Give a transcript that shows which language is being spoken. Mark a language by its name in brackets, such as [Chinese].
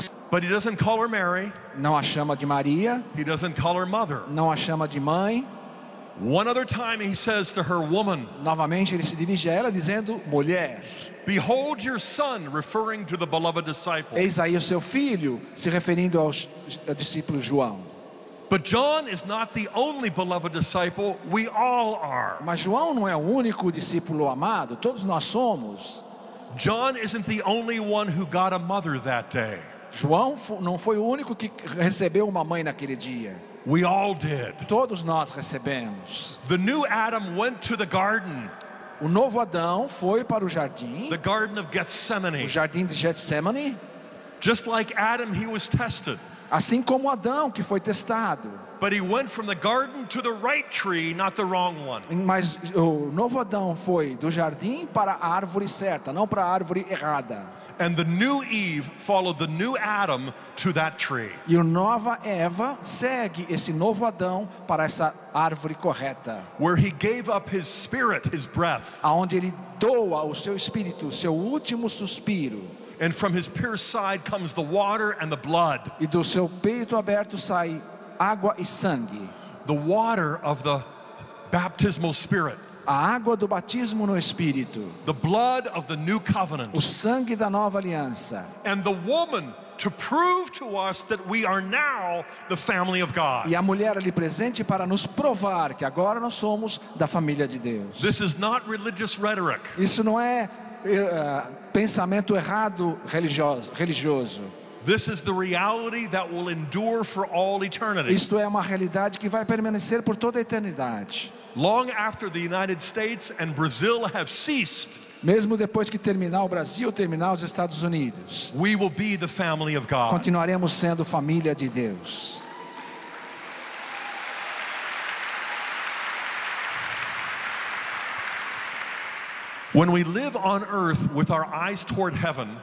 [English] But he doesn't call her Mary. [Portuguese] Não a chama de Maria. [English] He doesn't call her mother. [Portuguese] Não a chama de mãe. [English] One other time he says to her, woman. [Portuguese] Novamente ele se dirige a ela dizendo, mulher. [English] Behold your son, referring to the beloved disciple. [Portuguese] Eis aí o seu filho, se referindo ao discípulo João. [English] But John is not the only beloved disciple, we all are. [Portuguese] Mas João não é o único discípulo amado, todos nós somos. [English] John isn't the only one who got a mother that day. [Portuguese] João não foi o único que recebeu uma mãe naquele dia. [English] We all did. [Portuguese] Todos nós recebemos. [English] The new Adam went to the garden. [Portuguese] O novo Adão foi para o jardim. [English] The garden of Gethsemane. [Portuguese] O jardim de Getsemane. [English] Just like Adam, he was tested. [Portuguese] Assim como Adão, que foi testado. [English] But he went from the garden to the right tree, not the wrong one. [Portuguese] Mas o novo Adão foi do jardim para a árvore certa, não para a árvore errada. [English] And the new Eve followed the new Adam to that tree. [Portuguese] E a nova Eva segue esse novo Adão para essa árvore correta. [English] Where he gave up his spirit, his breath. [Portuguese] Aonde ele doa o seu espírito, seu último suspiro. [English] And from his pierced side comes the water and the blood. [Portuguese] E do seu peito aberto sai água e sangue. [English] The water of the baptismal spirit. [Portuguese] A água do batismo no Espírito. [English] The blood of the new covenant. [Portuguese] O sangue da nova aliança. [English] And the woman to prove to us that we are now the family of God. [Portuguese] E a mulher ali presente para nos provar que agora nós somos da família de Deus. [English] This is not religious rhetoric. [Portuguese] Isso não é pensamento errado religioso. [English] This is the reality that will endure for all eternity. [Portuguese] Isto é uma realidade que vai permanecer por toda a eternidade. [English] Long after the United States and Brazil have ceased. [Portuguese] Mesmo depois que terminar o Brasil, terminar os Estados Unidos. [English] We will be the family of God. [Portuguese] Continuaremos sendo família de Deus. [English] When we live on earth with our eyes toward heaven.